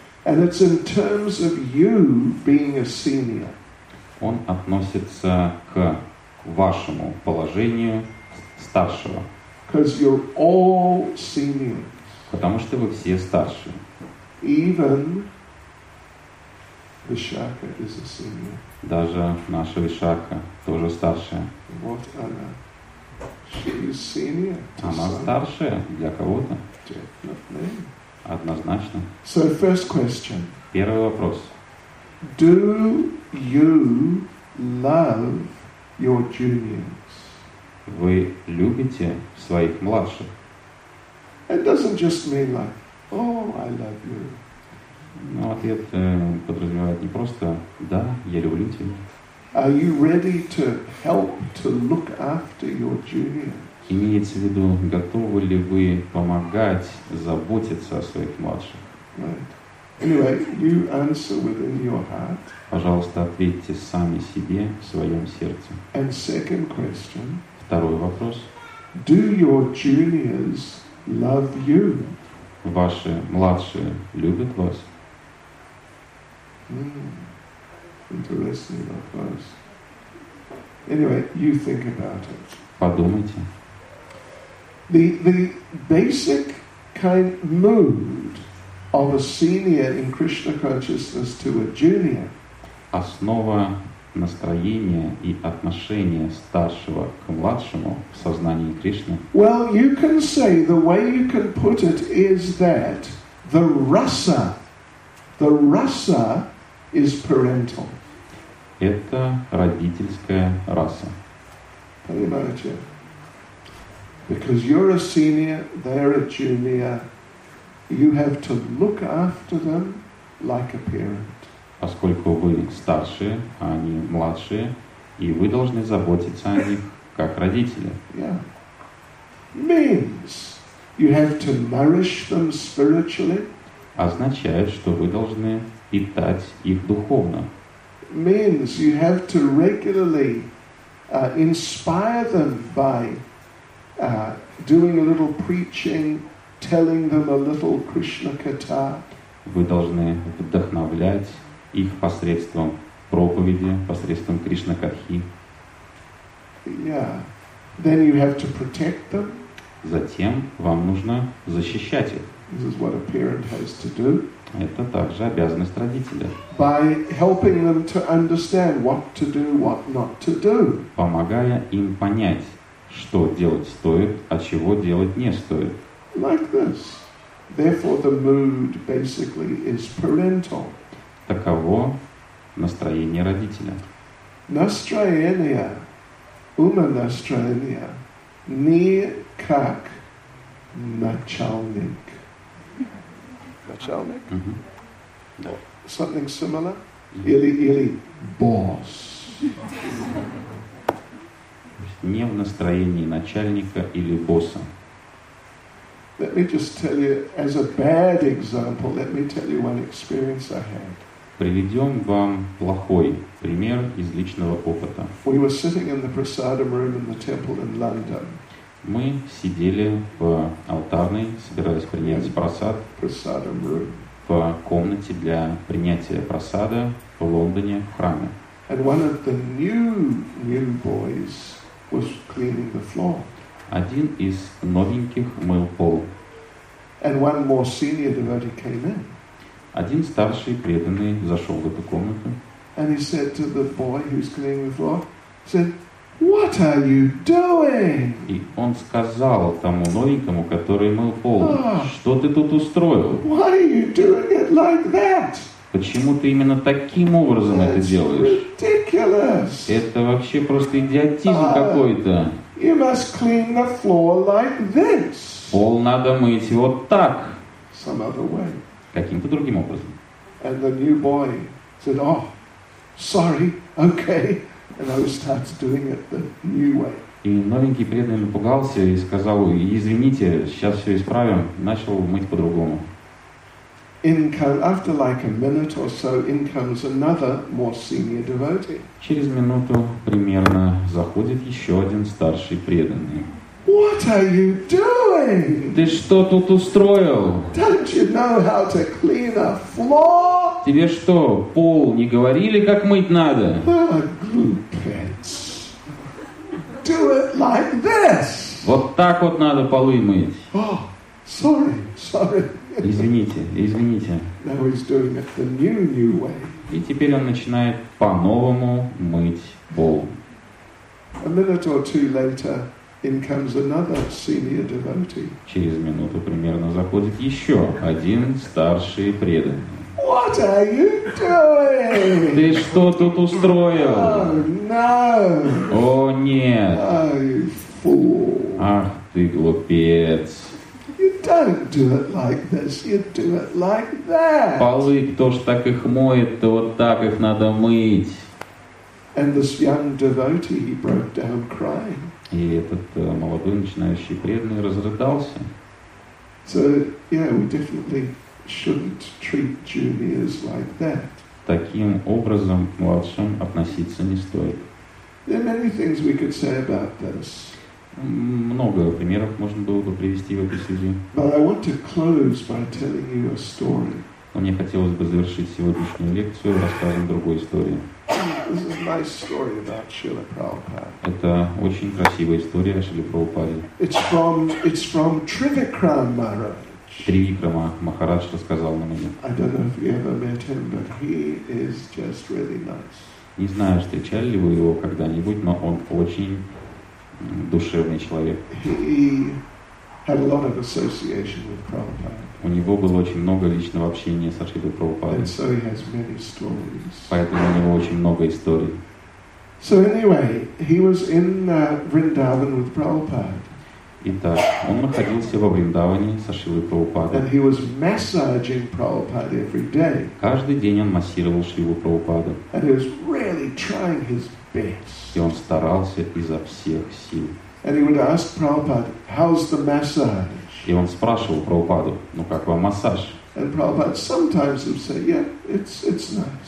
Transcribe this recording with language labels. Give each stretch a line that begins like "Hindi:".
English: And it's in terms of you being a senior.
Russian: Он относится к вашему положению старшего.
English: Because you're all seniors.
Russian: Потому что вы все старше.
English: Even Vishakha is a senior.
Russian: Даже наша Вишакха тоже старшая.
English: What
Russian: она?
English: She is senior.
Russian: Она старшая для кого-то.
English: Definitely.
Russian: Однозначно.
English: So first question.
Russian: Первый вопрос.
English: Do you love your juniors?
Russian: Вы любите своих младших?
English: It doesn't just mean like, oh, I love you.
Russian: Ну, ответ подразумевает не просто, да, я люблю тебя.
English: Are you ready to help to look after your juniors?
Russian: Имеется в виду, готовы ли вы помогать, заботиться о своих младших?
English: Right. Anyway, you answer within your heart.
Russian: Пожалуйста, ответьте сами себе в своем сердце.
English: And second question.
Russian: Второй вопрос.
English: Do your juniors love you?
Russian: Ваши младшие любят вас?
English: Interesting
Russian: вопрос.
English: Anyway, you think about it.
Russian: Подумайте.
English: The basic kind mood of a senior in Krishna consciousness to a junior.
Russian: Основа настроения и отношения старшего к младшему в сознании Кришны.
English: Well, you can say the way you can put it is that the rasa is parental.
Russian: Это родительская раса. Понимаете?
English: Because you're a senior, they're a junior, you have to look after them like a parent.
Russian: Поскольку вы старшие, а они младшие, и вы должны заботиться о них как родители.
English: Yeah. Means you have to nourish them spiritually.
Russian: Означает, что вы должны питать их духовно.
English: Means you have to regularly inspire them by doing a little preaching, telling them a little Krishna katha.
Russian: Вы должны вдохновлять их посредством проповеди, посредством Кришна катхи.
English: Yeah. Then you have to protect them.
Russian: Затем вам нужно защищать их.
English: This is what a parent has to do.
Russian: Это также обязанность родителя.
English: By helping them to understand what to do, what not to do.
Russian: Помогая им понять, что делать стоит, а чего делать не стоит.
English: Like this. Therefore, the mood basically is parental.
Russian: Таково настроение родителя. Настроение, ума настроение, не как начальник. Начальник? Mm-hmm.
English: Yeah. Something similar? Mm-hmm.
Russian: Или босс. Не в настроении начальника или босса.
English: Let me just tell you, as a bad example, let me tell you one experience I had.
Russian: Приведем вам плохой пример из личного опыта.
English: We were sitting in the prasadam room in the temple in London.
Russian: Мы сидели в алтарной, собирались принять прасад.
English: Prasadam room.
Russian: В комнате для принятия прасада в Лондоне в храме.
English: And one of the new boys was cleaning the floor.
Russian: Один из новеньких мыл пол.
English: And one more senior devotee came in.
Russian: Один старший преданный зашел в эту комнату.
English: And he said to the boy who's cleaning the floor, said, "What are you doing?"
Russian: И он сказал тому новенькому, который мыл пол, что ты тут устроил?
English: Why are you doing it like that?
Russian: Почему ты именно таким образом
English: That's
Russian: это делаешь?
English: Ridiculous.
Russian: Это вообще просто идиотизм какой-то.
English: You must clean the floor like this.
Russian: Пол надо мыть вот так.
English: Some other way.
Russian: Каким-то другим образом.
English: And the new boy said, "Oh, sorry, okay." And I started doing it the new way.
Russian: И новенький преданный напугался и сказал: "Извините, сейчас все исправим." Начал мыть по-другому.
English: After like a minute or so, in comes another more senior devotee.
Russian: Через минуту примерно заходит еще один старший преданный.
English: What are you doing?
Russian: Ты что тут устроил?
English: Don't you know how to clean a floor?
Russian: Тебе что, пол не говорили, как мыть надо? Glupets.
English: Do it like this.
Russian: Вот так вот надо полы мыть.
English: Oh, sorry.
Russian: Извините.
English: Now he's doing it the new way.
Russian: И теперь он начинает по-новому мыть пол.
English: A minute or two later, in comes another senior devotee.
Russian: Через минуту примерно заходит еще один старший преданный.
English: What are you doing?
Russian: Ты что тут устроил?
English: Oh, no.
Russian: О, нет.
English: Oh, you fool.
Russian: Ах, ты глупец.
English: Don't do it like this. You do it like that.
Russian: Полы, кто ж так их моет, то вот так их надо мыть.
English: And this young devotee, he broke down crying.
Russian: И этот молодой начинающий преданный разрыдался.
English: So, yeah, we definitely shouldn't treat juniors like that.
Russian: Таким образом к младшим относиться не стоит.
English: There are many things we could say about this.
Russian: Много примеров можно было бы привести в этой связи.
English: But I want to close by telling you a story.
Russian: Но мне хотелось бы завершить сегодняшнюю лекцию рассказом другой истории.
English: This is a nice story about Srila Prabhupada.
Russian: Это очень красивая история о Шриле Прабхупаде.
English: It's from Trivikram Maharaj.
Russian: Тривикрама Махарадж рассказал нам о нем.
English: I don't know if you ever met him, but he is just really nice.
Russian: Не знаю, встречали ли вы его когда-нибудь, но он очень душевный человек.
English: Had a lot of association with Prabhupada.
Russian: У него было очень много личного общения со Шрилой Прабхупадой.
English: And so he has many stories.
Russian: Поэтому у него очень много историй.
English: So anyway, he was in Vrindavan with Prabhupada.
Russian: Итак, он находился во Вриндаване со Шрилой Прабхупадой.
English: And he was massaging Prabhupada every day.
Russian: Каждый день он массировал Шрилу Прабхупаду.
English: And he was really trying his best.
Russian: И он старался изо всех сил.
English: And he would ask Prabhupada, "How's the massage?"
Russian: И он спрашивал Прабхупаду, ну как вам массаж?
English: And Prabhupada sometimes would say, "Yeah, it's nice."